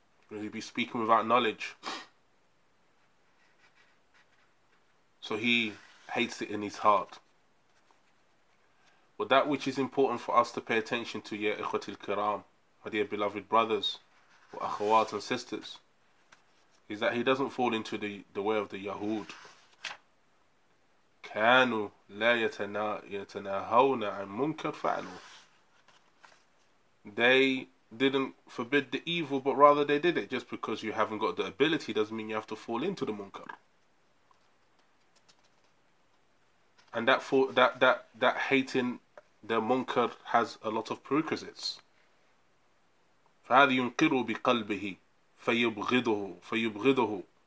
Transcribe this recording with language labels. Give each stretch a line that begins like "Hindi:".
English: He'll be speaking without knowledge, so he hates it in his heart. But that which is important for us to pay attention to,
Arabic: ya ikhwati al-kiram,
English: my dear beloved brothers,
Arabic: wa akhawat
English: and sisters, is that he doesn't fall into the way of the Yahud.
Arabic: كانوا لا يتناهون عن منكر فعلوا.
English: They didn't forbid the evil, but rather they did it. Just because you haven't got the ability doesn't mean you have to fall into the munkar. And that hating the munkar has a lot of prerequisites.
Arabic: فهذا ينكره بقلبه فيبغضه فيبغضه.